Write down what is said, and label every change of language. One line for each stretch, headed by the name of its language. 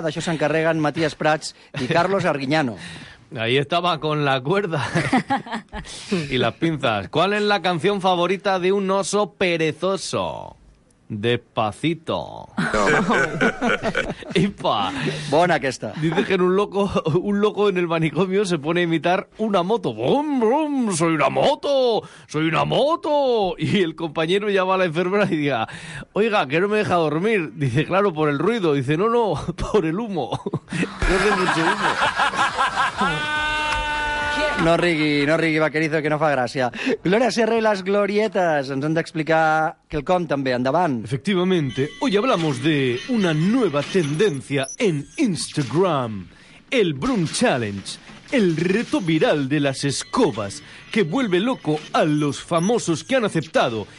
Catalan: D'això s'encarreguen Matías Prats i Carlos Arguiñano.
Spanish: Ahí estaba con la cuerda y las pinzas. ¿Cuál es la canción favorita de un oso perezoso? Despacito. Ipa.
Catalan: Bona aquesta.
Spanish: Dice que un loco en el manicomio se pone a imitar una moto. ¡Bum, bum! ¡Soy una moto! ¡Soy una moto! Y el compañero llama a la enfermera y diga, oiga, que no me deja dormir. Dice, claro, por el ruido. Dice, no, no, por el humo. No hace mucho humo.
Catalan: No rigui, vaquerizo, que no fa gràcia. Gloria Serra i les Glorietes ens han d'explicar quelcom també. Endavant.
Spanish: Efectivamente, hoy hablamos de una nueva tendencia en Instagram. El Broom Challenge, el reto viral de las escobas que vuelve loco a los famosos que han aceptado.